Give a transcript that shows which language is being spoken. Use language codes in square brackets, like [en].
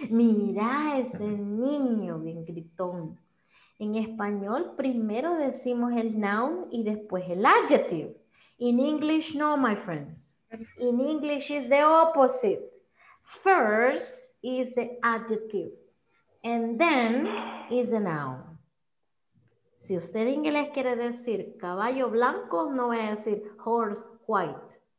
[es] Mira ese niño bien gritón. En español primero decimos el noun y después el adjective. [en] In English, no, my friends. In English is the opposite. First is the adjective. And then is the noun. [es] Si usted en inglés quiere decir caballo blanco, no voy a decir [en] horse white.